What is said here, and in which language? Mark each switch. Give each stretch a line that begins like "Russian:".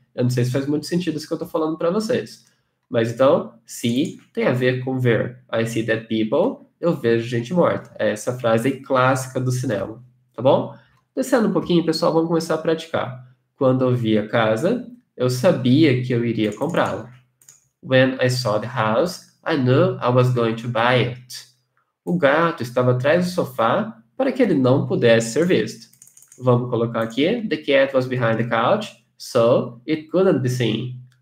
Portuguese: Eu não sei se faz muito sentido isso que eu estou falando para vocês. Mas então, see tem a ver com ver.
English: I see dead people,
Portuguese: eu vejo gente morta. É essa frase aí clássica do cinema, tá bom? Descendo um pouquinho, pessoal, vamos começar a praticar. Quando eu vi a casa, eu sabia que eu iria comprá-la.
English: When I saw the house, I knew I was going to buy it.
Portuguese: O gato estava atrás do sofá para que ele não pudesse ser visto. Vamos colocar aqui:
English: The cat was behind the couch, so it couldn't be seen.